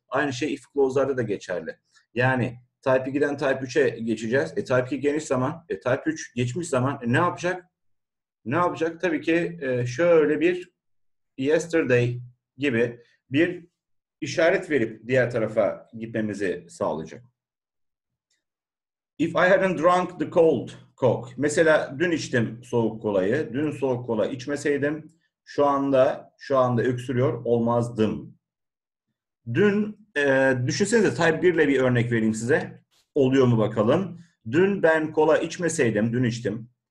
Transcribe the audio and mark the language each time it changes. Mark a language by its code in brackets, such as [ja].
[tr] Aynı şey if clause'larda da geçerli. Yani type 2'den type 3'e geçeceğiz. Type 2 geniş zaman, type 3 geçmiş zaman ne yapacak? Ne yapacak? Tabii ki şöyle bir yesterday gibi bir işaret verip diğer tarafa gitmemizi sağlayacak. [en] If I hadn't drunk the cold coke. [tr] Mesela dün içtim soğuk kolayı. Dün soğuk kola içmeseydim şu anda öksürüyor olmazdım. Dün düşünsenize, type 1 ile bir örnek vereyim size. Oluyor mu bakalım. Dün ben kola içmeseydim, dün içtim.